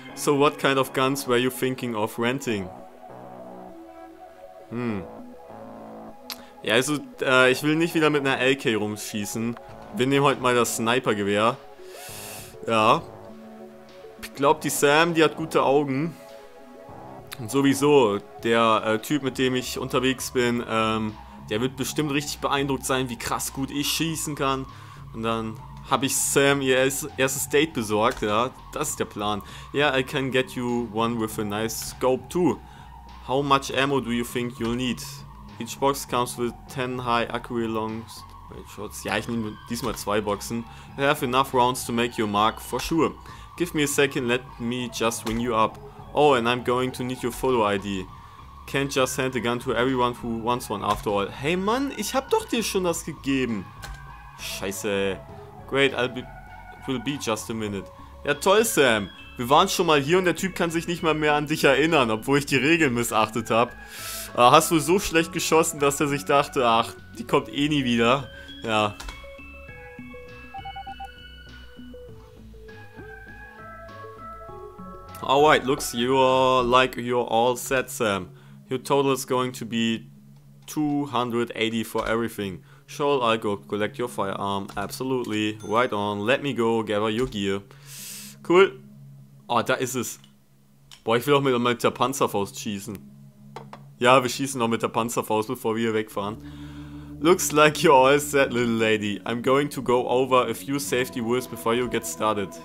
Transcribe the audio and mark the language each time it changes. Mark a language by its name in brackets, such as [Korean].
[English] So what kind of guns were you thinking of renting? [German] Ja, also, ich will nicht wieder mit einer LK rumschießen. Wir nehmen heute mal das Sniper-Gewehr. Ja, ich glaube, die Sam, die hat gute Augen. Und sowieso, der Typ, mit dem ich unterwegs bin, der wird bestimmt richtig beeindruckt sein, wie krass gut ich schießen kann. Und dann habe ich Sam ihr erstes Date besorgt, ja, das ist der Plan. [English] Yeah, I can get you one with a nice scope too. How much ammo do you think you'll need? Each box comes with 10 high accuracy longs. [German] Ja, ich nehme diesmal zwei Boxen. [English] I have enough rounds to make your mark, for sure. Give me a second, let me just ring you up. Oh, and I'm going to need your photo ID. Can't just hand a gun to everyone who wants one after all. [German] Hey Mann, ich hab doch dir schon das gegeben. Scheiße, ey. [English] Great, it will be just a minute. [German] Ja toll, Sam. Wir waren schon mal hier und der Typ kann sich nicht mal mehr an dich erinnern, obwohl ich die Regeln missachtet hab. Hast du so schlecht geschossen, dass er sich dachte, ach, die kommt eh nie wieder. Ja. [English] Alright, looks you're all set, Sam. Your total is going to be 280 for everything. Sure, I'll go collect your firearm. Absolutely. Right on. Let me go gather your gear. Cool. [German] Oh, da ist es. Boah, ich will auch mit der Panzerfaust schießen. Ja, wir schießen noch mit der Panzerfaust, bevor wir hier wegfahren. [English] Looks like you're all set, little lady. I'm going to go over a few safety rules before you get started.